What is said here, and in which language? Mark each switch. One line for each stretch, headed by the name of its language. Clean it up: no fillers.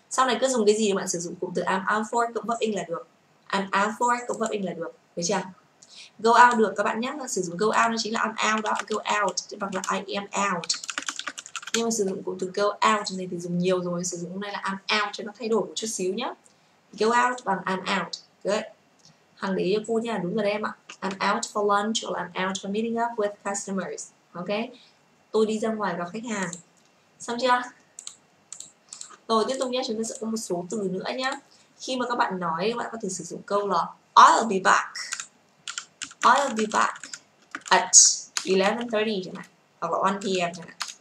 Vietnamese: Sau này cứ dùng cái gì mà bạn sử dụng cụm từ
English: I'm out for
Vietnamese: cộng verb in là được. I'm out for cộng verb in là được. Được chưa?
English: Go out
Vietnamese: được các bạn nhé. Sử dụng
English: go out
Vietnamese: nó chính là
English: I'm out
Vietnamese: đó.
English: Go out
Vietnamese: bằng là
English: I am out.
Vietnamese: Nhưng mà sử dụng cụm từ
English: go out
Vietnamese: này thì dùng nhiều rồi. Sử dụng hôm nay là
English: I'm out
Vietnamese: cho nó thay đổi một chút xíu nhé.
English: Go out
Vietnamese: bằng
English: I'm out. Good.
Vietnamese: Hằng để ý cho cô nha. Đúng rồi đấy em ạ.
English: I'm out for lunch or I'm out for meeting up with customers. Ok.
Vietnamese: Tôi đi ra ngoài gặp khách hàng. Xong chưa? Rồi tiếp tục nhé, chúng ta sẽ có một số từ nữa nhé. Khi mà các bạn nói, các bạn có thể sử dụng câu là
English: I'll be back. I'll be back at 11:30
Vietnamese: hoặc là
English: 1 p.m.